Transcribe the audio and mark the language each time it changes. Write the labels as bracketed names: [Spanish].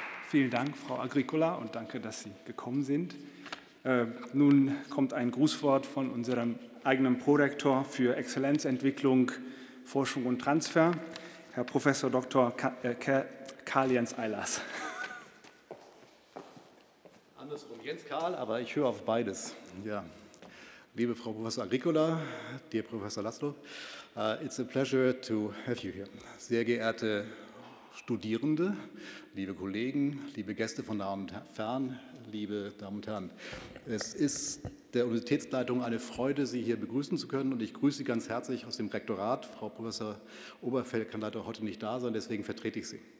[German] Vielen Dank, Frau Agricola, und danke, dass Sie gekommen sind. Nun kommt ein Grußwort von unserem eigenen Prorektor für Exzellenzentwicklung, Forschung und Transfer, Herr Professor Dr. Karl-Jens Eilers. Andersrum, Jens Karl, aber ich höre auf beides. Ja. Liebe Frau Professor Agricola, [English] dear Professor László, it's a pleasure to have you here. [German] Sehr geehrte Studierende, liebe Kollegen, liebe Gäste von nah und fern, liebe Damen und Herren, es ist der Universitätsleitung eine Freude, Sie hier begrüßen zu können, und ich grüße Sie ganz herzlich aus dem Rektorat. Frau Professor Oberfeld kann leider heute nicht da sein, deswegen vertrete ich Sie.